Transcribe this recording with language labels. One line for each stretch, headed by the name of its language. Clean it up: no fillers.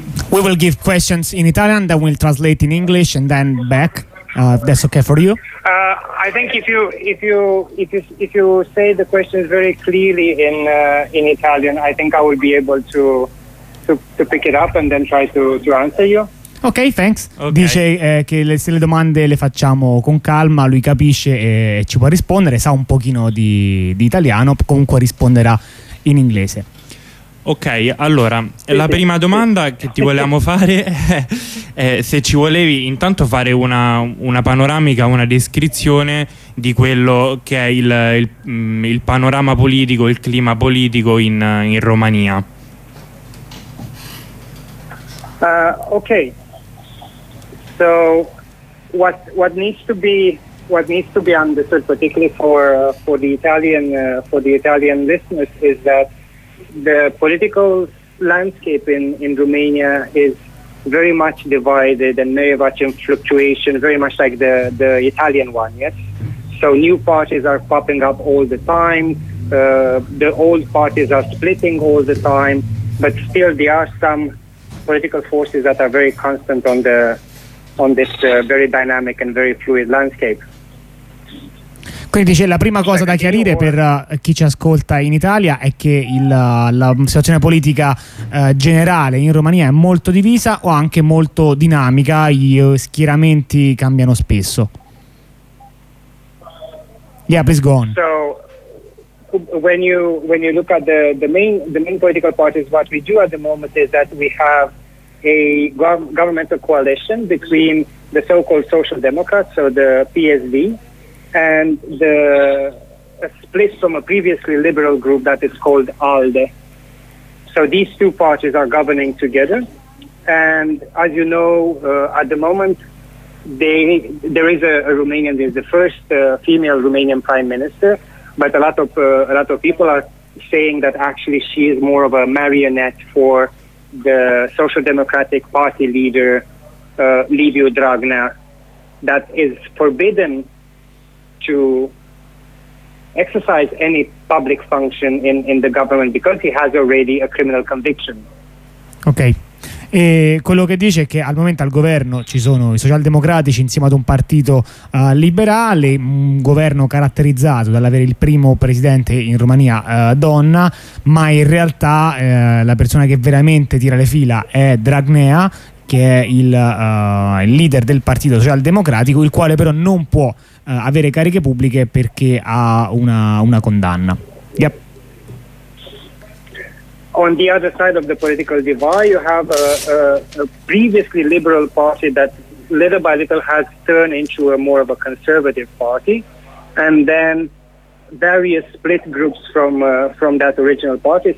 English: We will give questions in Italian, then we'll translate in English and then back. If that's okay for you? I think if you say the questions very clearly in Italian, I think I will be able to pick it up and then try to answer you. Ok, thanks. Okay.
Italian: Dice che se le domande le facciamo con calma, lui capisce e ci può rispondere, sa un pochino di italiano, comunque risponderà in inglese. Ok, allora, la prima domanda che ti volevamo fare è se ci volevi intanto fare una panoramica, una descrizione di quello che è il panorama politico, il clima politico in Romania. Ok.
English: So, what needs to be understood, particularly for the Italian listeners, is that the political landscape in Romania is very much divided and very much in fluctuation, very much like the Italian one. Yes, so new parties are popping up all the time. The old parties are splitting all the time, but still there are some political forces that are very constant on this very dynamic and very fluid landscape.
Italian: Quindi dice, la prima cosa da chiarire per chi ci ascolta in Italia è che la situazione politica generale in Romania è molto divisa o anche molto dinamica, gli schieramenti cambiano spesso.
English: Yeah, please go on. So when you look at the main political parties, what we do at the moment is that we have a governmental coalition between the so-called Social Democrats, so the PSD, and a split from a previously liberal group that is called ALDE. So these two parties are governing together. And as you know, at the moment, there is a Romanian, there's the first female Romanian prime minister, but a lot of people are saying that actually she is more of a marionette for the Social Democratic Party leader, Liviu Dragnea, that is forbidden to exercise any public function in the government because he has already a criminal conviction. Ok.
Italian: E quello che dice è che al momento al governo ci sono i socialdemocratici insieme ad un partito liberale, un governo caratterizzato dall'avere il primo presidente in Romania donna, ma in realtà la persona che veramente tira le fila è Dragnea, che è il leader del partito socialdemocratico, il quale però non può avere cariche pubbliche perché ha una condanna. Yep.
English: On the other side of the political divide, you have a previously liberal party that little by little has turned into a more of a conservative party, and then various split groups from that original party.